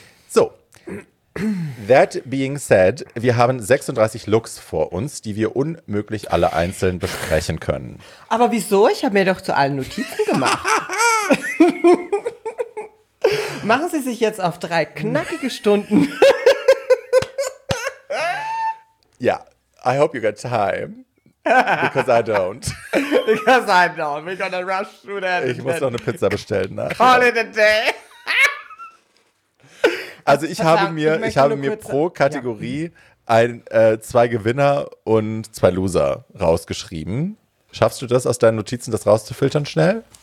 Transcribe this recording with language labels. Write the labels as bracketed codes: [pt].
[en] So, that being said, [de] wir haben 36 Looks vor uns, die wir unmöglich alle einzeln besprechen können. Aber wieso? Ich habe mir doch zu allen Notizen gemacht. Machen Sie sich jetzt auf 3 knackige Stunden. Ja. [en] I hope you got time, because I don't. Because I don't. We're gonna rush through that. [de] Ich muss noch eine Pizza bestellen. Nachher. [en] Call it a day. [de] Also ich habe mir pro Kategorie zwei Gewinner und 2 Loser rausgeschrieben. Schaffst du das aus deinen Notizen, das rauszufiltern schnell?